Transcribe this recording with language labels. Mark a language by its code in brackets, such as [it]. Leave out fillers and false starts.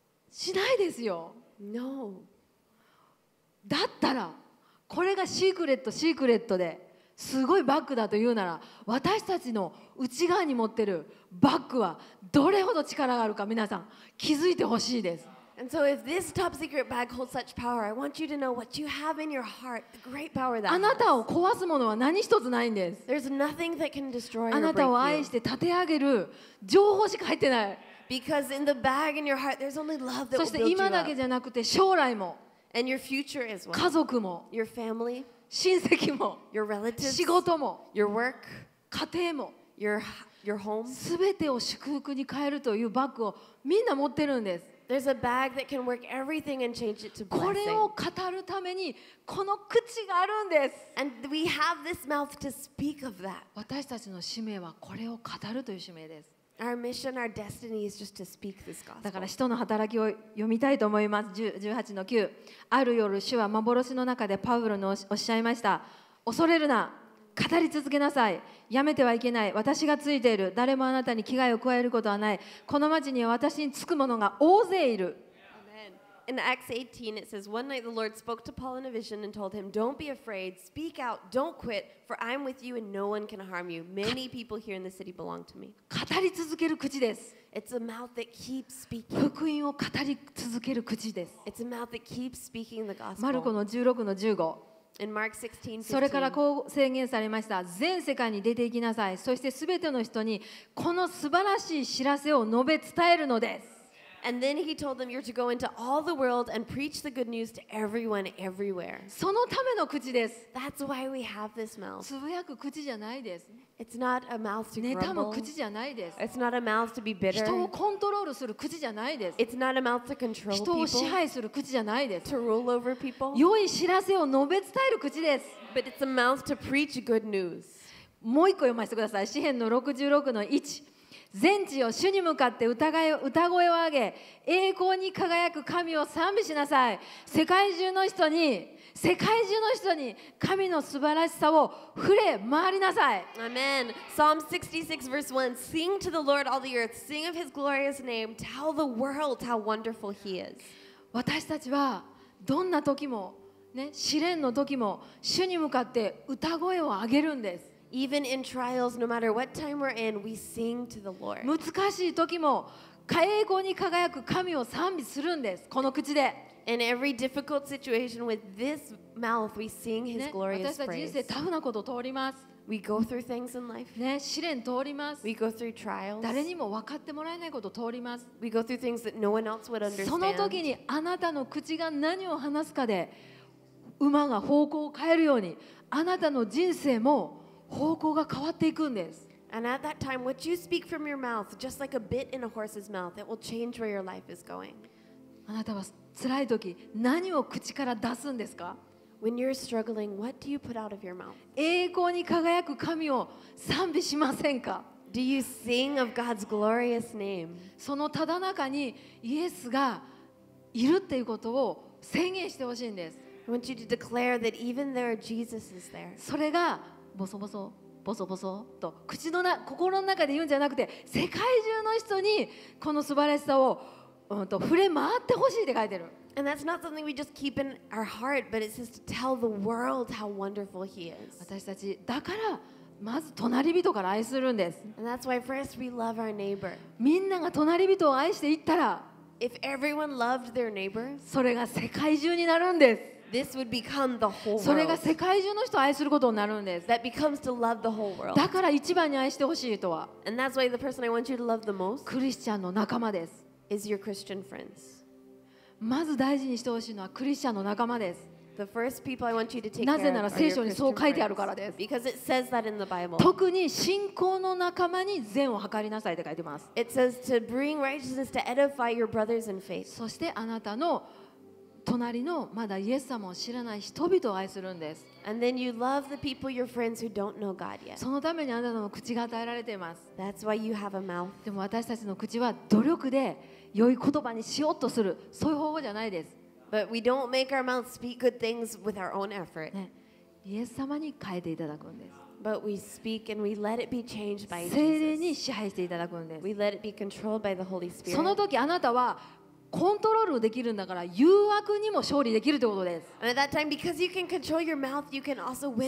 [ja] しないですよ。 [en] No. [ja] だったらこれがシークレットシークレットですごいバッグだというなら私たちの内側に持ってるバッグはどれほど力があるか皆さん気づいてほしいです。 [en] And so if this top secret bag holds such power, I want you to know what you have in your heart, the great power that [ja] あなたを壊すものは何一つないんです。 [en] There's nothing that can destroy or break [ja] あなたを愛して立て上げる情報しか入ってない。 [en] Because in the bag in your heart, there's only love that will build you up. [ja] そして今だけじゃなくて将来も。 [en] And your future as well. [ja] 家族も。 [en] Your family. [ja] 親戚も。 [en] Your relatives. [ja] 仕事も。 [en] Your work. [ja] 家庭も。 [en] Your home. [ja] 全てを祝福に変えるというバッグをみんな持ってるんです。 [en] There's a bag that can work everything and change it to blessing. [ja] これを語るためにこの口があるんです。 [en] And we have this mouth to speak of that. [ja] 私たちの使命はこれを語るという使命です。 [en] Our mission, our destiny is just to speak this gospel. [ja] だから使徒の働きを読みたいと思います。 18-9。ある夜、主は幻の中でパウロにおっしゃいました。恐れるな。語り続けなさい。やめてはいけない。私がついている。誰もあなたに危害を加えることはない。この町には私につく者が大勢いる。 [en] In Acts 18, it says, One night the Lord spoke to Paul in a vision and told him, Don't be afraid. Speak out. Don't quit. For I'm with you and no one can harm you. Many people here in the city belong to me. [ja] 語り続ける口です。 [en] It's a mouth that keeps speaking. [ja] 福音を語り続ける口です。 [en] It's a mouth that keeps speaking the gospel. [ja] マルコの 16-15。 [en] In Mark 16, [ja] それからこう宣言されました。全世界に出て行きなさい。そして全ての人にこの素晴らしい知らせを述べ伝えるのです。 [en] And then he told them, you're to go into all the world and preach the good news to everyone everywhere. [ja] そのための口です。 [en] That's why we have this mouth. [ja] つぶやく口じゃないです。 [en] It's not a mouth to grumble. [ja] ネタも口じゃないです。 [en] It's not a mouth to be bitter. [ja] 人をコントロールする口じゃないです。 [en] It's not a mouth to control people. [ja] 人を支配する口じゃないです。 [en] To rule over people. [ja] 良い知らせを述べ伝える口です。 [en] But it's a mouth to preach good news. [ja] もう一個読ませてください。詩編の 66-1。全地を主に向かって歌声を上げ栄光に輝く神を賛美しなさい。世界中の人に神の素晴らしさを触れ回りなさい。 [en] Amen. Psalm 66 verse 1 Sing to the Lord all the earth. Sing of his glorious name. Tell the world how wonderful he is. [ja] 私たちはどんな時も、ね、試練の時も主に向かって歌声を上げるんです。 [en] Even in trials, no matter what time we're in, we sing to the Lord. [ja] 難しい時も栄光に輝く神を賛美するんです。この口で。 [en] In every difficult situation with this mouth, we sing His glorious praise. [ja] 私たち人生タフなこと通ります。 [en] We go through things in life. [ja] ね、試練通ります。 [en] We go through trials. [ja] 誰にも分かってもらえないこと通ります。 [en] We go through things that no one else would understand. [ja] その時にあなたの口が何を話すかで馬が方向を変えるようにあなたの人生も方向が変わっていくんです。 [en] And at that time, what you speak from your mouth, just like a bit in a horse's mouth, it will change where your life is going. [ja] あなたは辛い時、何を口から出すんですか？ [en] When you're struggling, what do you put out of your mouth? [ja] 栄光に輝く神を賛美しませんか？ [en] Do you sing of God's glorious name? [ja] そのただ中にイエスがいるっていうことを宣言してほしいんです。 [en] I want you to declare that even there, Jesus is there. [ja] それがボソボソボソボソと口のな心の中で言うんじゃなくて世界中の人にこの素晴らしさを触れ回ってほしいって書いてる。 [en] And that's not something we just keep in our heart, but it says to tell the world how wonderful he is. [ja] 私たちだからまず隣人から愛するんです。 [en] And that's why first we love our neighbor. [ja] みんなが隣人を愛していったら、 [en] If everyone loved their neighbor, [ja] それが世界中になるんです。 [en] This would become the whole world. [ja] それが世界中の人を愛することになるんです。 [en] That becomes to love the whole world. [ja] だから一番に愛してほしい人は、 [en] And that's why the person I want you to love the most, [ja] クリスチャンの仲間です。 [en] Is your Christian friends. [ja] まず大事にしてほしいのはクリスチャンの仲間です。 [en] The first people I want you to take care of. [ja] なぜなら聖書にそう書いてあるからです。 [en] Because it says that in the Bible. [ja] 特に信仰の仲間に善を図りなさいって書いてます。 [en] It says to bring righteousness to edify your brothers in faith. [ja] そしてあなたの隣のまだイエス様を知らない人々を愛するんです。 [en] And then you love the people, your friends who don't know God yet. [ja] そのためにあなたの口が与えられています。 [en] That's why you have a mouth. [ja] でも私たちの口は努力で良い言葉にしようとするそういう方法じゃないです。 [en] But we don't make our mouth speak good things with our own effort.、 [ja] ね、イエス様に変えていただくんです。 [en] But we speak and we let it be changed by Jesus. [ja] 聖霊に支配していただくんです。 [en] We let it be controlled by the Holy Spirit. [ja] その時あなたはコントロールできるんだから誘惑にも勝利できるということです。 [en] And at that time, because you can control your mouth, you can also win